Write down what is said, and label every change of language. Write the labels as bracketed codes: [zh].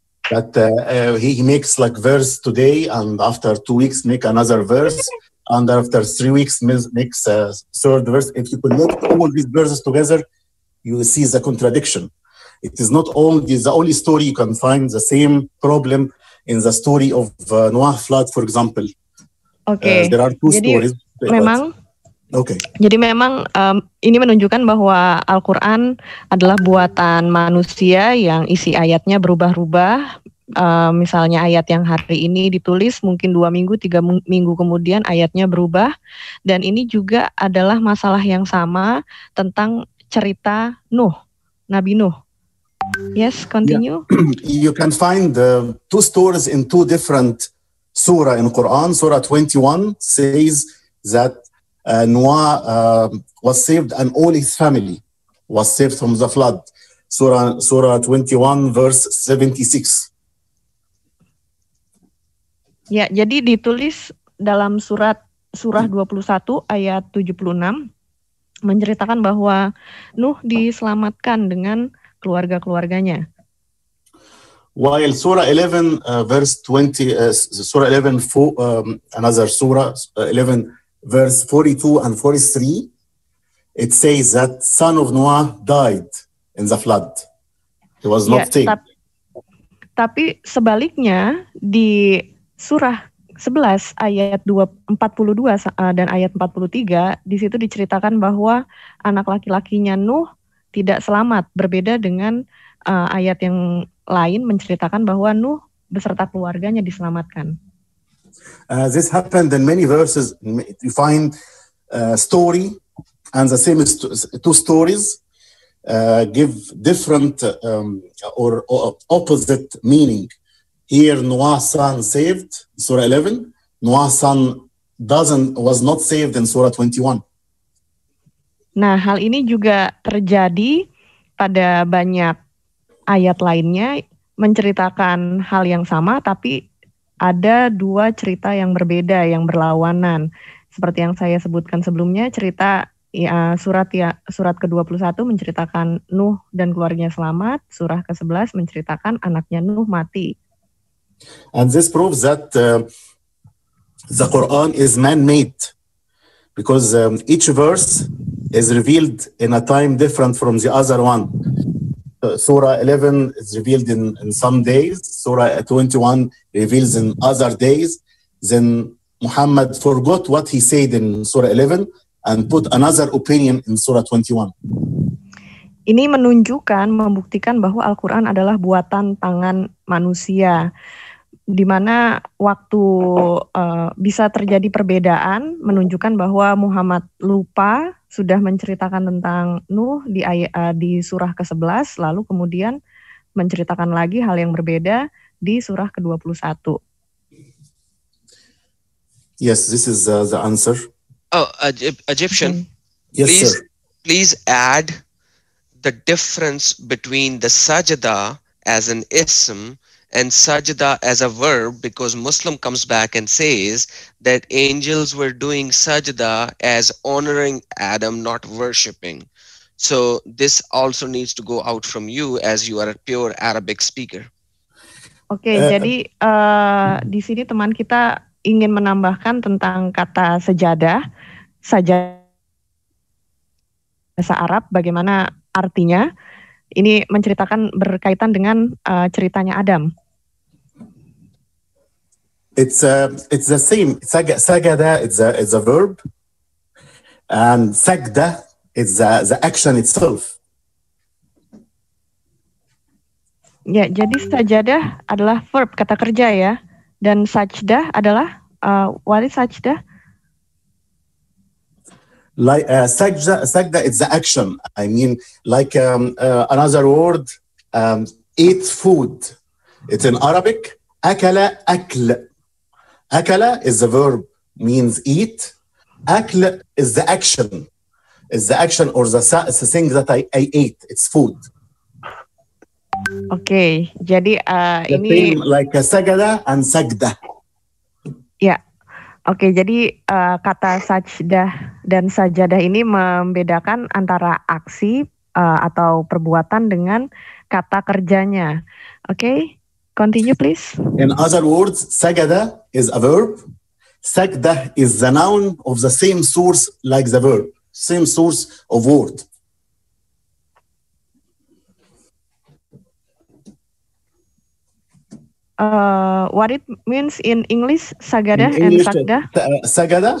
[en] that he makes like verse today, and after 2 weeks make another verse, and after 3 weeks makes a third verse. If you connect all these verses together, you see the contradiction. It is not only the only story you can find the same problem in the story of Noah flood, for example. Okay. There are two stories. [id] Memang. Okay. Jadi memang ini menunjukkan bahwa Al-Quran adalah buatan manusia yang isi ayatnya berubah-ubah. Misalnya ayat yang hari ini ditulis mungkin 2 minggu, 3 minggu kemudian ayatnya berubah. Dan ini juga adalah masalah yang sama tentang cerita Nuh, Nabi Nuh. [en] Yes, continue. Yeah. You can find two stories in two different surah in Quran. Surah 21 says that Noah was saved and all his family was saved from the flood. Surah 21 verse 76. [id] Ya, jadi ditulis dalam surah 21 ayat 76 menceritakan bahwa Nuh diselamatkan dengan keluarga-keluarganya. [en] While surah 11 verse 20 surah 11 another surah 11 verse 42 and 43 it says that son of Noah died in the flood. He was not saved. [id] Tapi sebaliknya di Surah 11 ayat 42 dan ayat 43 di situ diceritakan bahwa anak laki-lakinya Nuh tidak selamat, berbeda dengan ayat yang lain menceritakan bahwa Nuh beserta keluarganya diselamatkan. [en] This happened in many verses. You find story and the same two stories give different or opposite meaning. Here, Noah's son saved, Surah 11. Noah's son was not saved in Surah 21. [id] Nah, hal ini juga terjadi pada banyak ayat lainnya menceritakan hal yang sama, tapi ada dua cerita yang berbeda, yang berlawanan. Seperti yang saya sebutkan sebelumnya, cerita surat ke-21 menceritakan Nuh dan keluarganya selamat, surah ke-11 menceritakan anaknya Nuh mati. [en] And this proves that the Quran is man-made, because each verse is revealed in a time different from the other one. Surah 11 is revealed in some days, Surah 21 reveals in other days, then Muhammad forgot what he said in Surah 11 and put another opinion in Surah 21. [id] Ini menunjukkan, membuktikan bahwa Al-Quran adalah buatan tangan manusia, di mana waktu bisa terjadi perbedaan, menunjukkan bahwa Muhammad lupa sudah menceritakan tentang Nuh di surah ke-11, lalu kemudian menceritakan lagi hal yang berbeda di surah ke-21. [en] Yes, this is the answer. Oh, Egyptian. Mm. Yes, please, sir. Please add the difference between the sajda as an ism and sajda as a verb, because Muslim comes back and says that angels were doing sajda as honoring Adam, not worshipping. So this also needs to go out from you as you are a pure Arabic speaker. [id] Okay, jadi di sini teman kita ingin menambahkan tentang kata sajadah, sajadah bahasa Arab, bagaimana artinya. Ini menceritakan berkaitan dengan ceritanya Adam. [en] It's the same. Sajada is a verb, and sajda is the action itself. [id] Ya, jadi sajadah adalah verb, kata kerja ya, dan sajdah adalah [en] what is sajdah? Like sajda is the action. I mean, like another word, eat food. It's in Arabic. Akala akl. Akala is the verb, means eat. Akl is the action. Is the action or the thing that I ate. It's food. [id] Okay, jadi ini... [en] The same like sajada and sajda. [id] Ya, okay, jadi kata sajdah dan sajadah ini membedakan antara aksi atau perbuatan dengan kata kerjanya. Okay, [en] Continue, please. In other words, sagada is a verb. Sagda is the noun of the same source like the verb, same source of word. What it means in English, sagada in English, and sagda?